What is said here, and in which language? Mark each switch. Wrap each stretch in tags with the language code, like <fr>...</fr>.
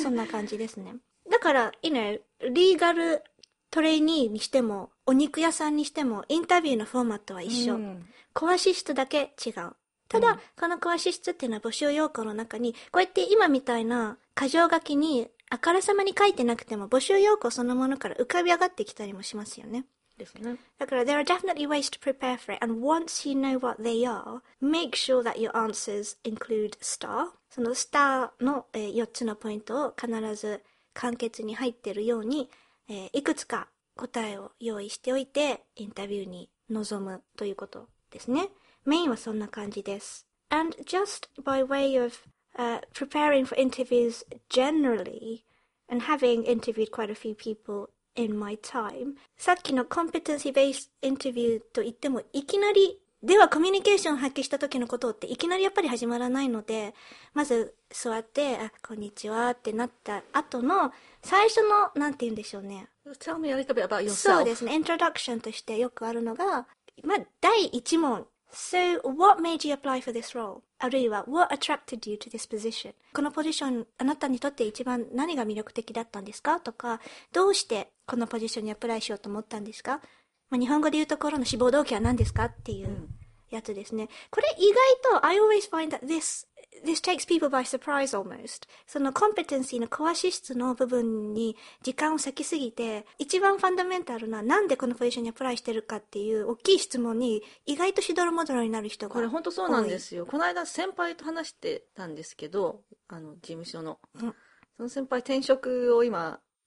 <ja>そんな感じですね。だから、 you know, リーガルトレーニーにしてもお肉屋さんにしてもインタビューのフォーマットは一緒。壊し質だけ違う。ただ、この詳しい質っていうのは募集要項の中に、こうやって今みたいな箇条書きにあからさまに書いてなくても募集要項そのものから浮かび上がってきたりもしますよね。ですね。</ja> <en>だから、 there are definitely ways to prepare for it. And once you know what they are, make sure that your answers include star.</en> <ja>そのスターの、4つのポイントを必ず簡潔に入ってるように、いくつか答えを用意しておいて、インタビューに臨むということですね。メインはそんな感じです。 And just by way of, preparing for interviews generally and having interviewed quite a few people in my time, さっきの competency based interview といっても、いきなりではコミュニケーションを発揮した時のことっていきなりやっぱり始まらないので、まず座って、あ、こんにちはってなった後の最初の、なんて言うんでしょうね。</ja> <en>Tell me a little bit about yourself.</en> <ja>そうですね。Introduction としてよくあるのが、まあ、第一問。</ja> <en>So, what made you apply for this role? あるいは、 what attracted you to this position?</en> <ja>このポジション、あなたにとって一番何が魅力的だったんですか? とか、どうしてこのポジションにアプライしようと思ったんですか? まあ、日本語で言うところの志望動機は何ですか? っていうやつですね。</ja> <en>これ意外と、 I always find that this takes people by surprise almost.</en> <ja>その competency の詳し質の部分に時間を割きすぎて、一番ファンダメンタルな、なんでこのポジションにアプライしてるかっていう大きい質問に意外としどろもどろになる人が多い。これ本当そうなんですよ。この間先輩と話してたんですけど、あの事務所の、うん、その先輩転職を今</ja>